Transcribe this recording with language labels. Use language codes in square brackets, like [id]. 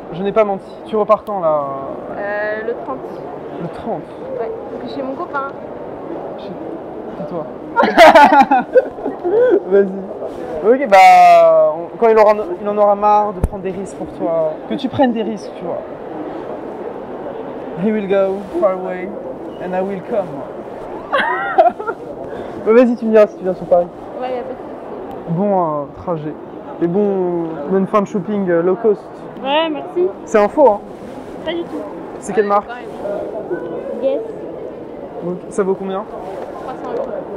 [fr] Je n'ai pas menti. Tu repars quand là? Le 30. Le 30? Ouais. Chez mon copain. Chez toi. Vas-y. Ok, bah. Quand il en aura marre de prendre des risques pour toi. Que tu prennes des risques, tu vois. [en] He will go far away and I will come. [fr] Bah, vas-y, tu me diras si tu viens sur Paris. Ouais, y'a pas de soucis. Bon trajet. Et bon, bonne fin de shopping low cost. Ouais, merci. C'est un faux, hein? Pas du tout. C'est quelle marque? Guess. Donc, ça vaut combien? 300 euros.